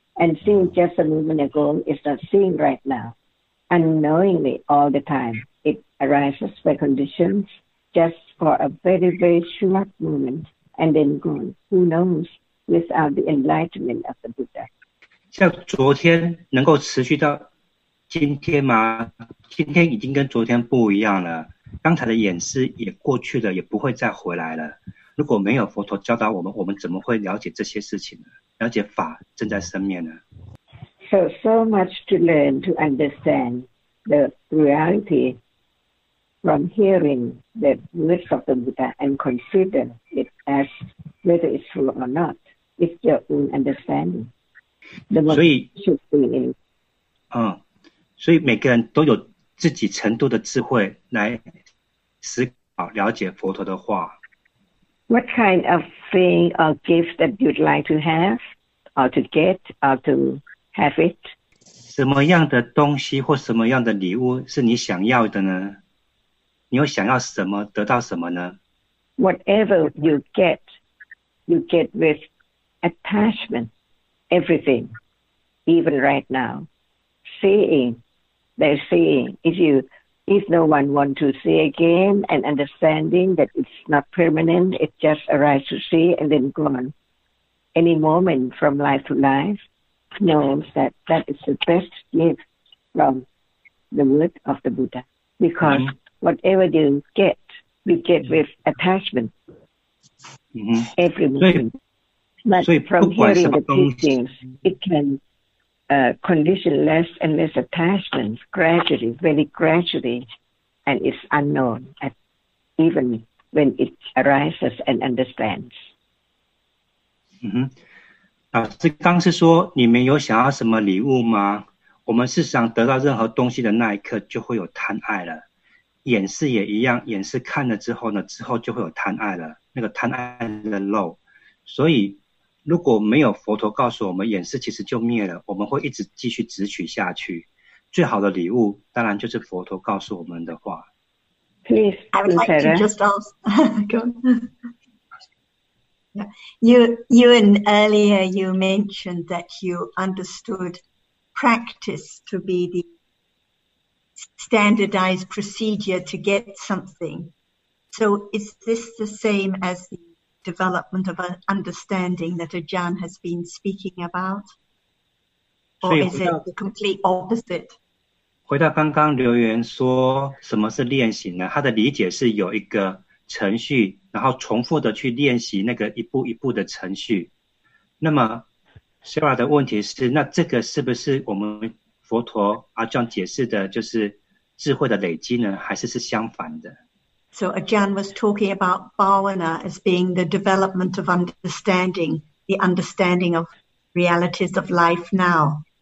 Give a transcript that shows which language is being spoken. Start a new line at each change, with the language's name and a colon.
English: And seeing just a moment ago is not seeing right now. Unknowingly, all the time, it arises by conditions just for a very, very short moment and then gone. Who knows without the enlightenment of the Buddha?
Chinese: 像昨天能够持续到今天吗？今天已经跟昨天不一样了，刚才的演示也过去了，也不会再回来了。如果没有佛陀教导我们，我们怎么会了解这些事情呢？了解法正在生灭呢？
English: So much to learn to understand the reality from hearing the words of the Buddha and consider it as whether it's true or not. It's your own understanding. The one you should be in.
Chinese: 所以每个人都有自己程度的智慧来思考了解佛陀的话。
English: What kind of thing or gift that you'd like to have or to get or to have it?
Chinese: 什么样的东西或什么样的礼物是你想要的呢？你又想要什么得到什么呢？
English: Whatever you get with attachment, everything, even right now, seeing. They're seeing, if no one wants to see again and understanding that it's not permanent, it just arrives to see and then gone. Any moment from life to life knows that that is the best gift from the word of the Buddha. Because whatever you get, we get with attachment. Mm-hmm. Every moment. But from hearing the teachings, it can condition less and less attachments gradually, very gradually, and it's unknown at, even when it arises and understands.
Chinese: 老师刚是说你们有想要什么礼物吗？我们事实上得到任何东西的那一刻就会有贪爱了，眼视也一样，眼视看了之后呢，之后就会有贪爱了，那个贪爱的漏。所以如果没有佛陀告诉我们眼视其实就灭了，我们会一直继续执取下去。最好的礼物当然就是佛陀告诉我们的话。
English: Please, I would like to just ask You and earlier you mentioned that you understood practice to be the standardized procedure to get something. So is this the same as the development of an understanding that Ajahn has been speaking about? Or is it the complete opposite?
Chinese: 回到刚刚留言说什么是练习呢？他的理解是有一个程序，然后重复的去练习那个一步一步的程序。那么 Sarah 的问题是，那这个是不是我们佛陀阿姜解释的就是智慧的累积呢？还是是相反的？
English: So Ajahn was talking about Bhavana as being the development of understanding, the understanding of realities of life now.